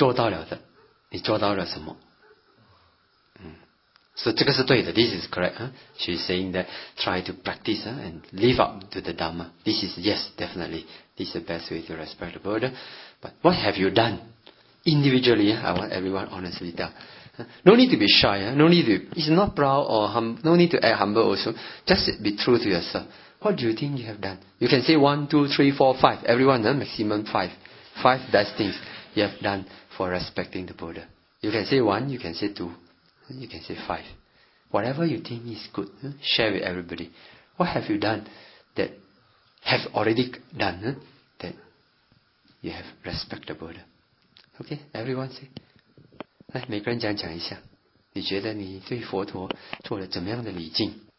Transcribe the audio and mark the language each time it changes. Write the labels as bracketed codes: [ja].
[zh] 讲已经做到了的，你做到了什么？是这个是对的, [en] this is correct. She's saying that try to practice and live up to the Dhamma. This is yes, definitely. This is the best way to respect the Buddha. But what have you done? Individually, I want everyone honestly tell. No need to be shy, no need to be, it's not proud or humble, no need to act humble also. Just be true to yourself. What do you think you have done? You can say 1, 2, 3, 4, 5. Everyone, maximum 5. 5 best things you have done for respecting the Buddha. You can say 1, you can say 2. You can say 5. Whatever you think is good, share with everybody. What have you done that have already done that you have respect the Buddha? Okay, everyone say. [zh] 来，每个人讲讲一下，你觉得你对佛陀做了怎么样的礼敬？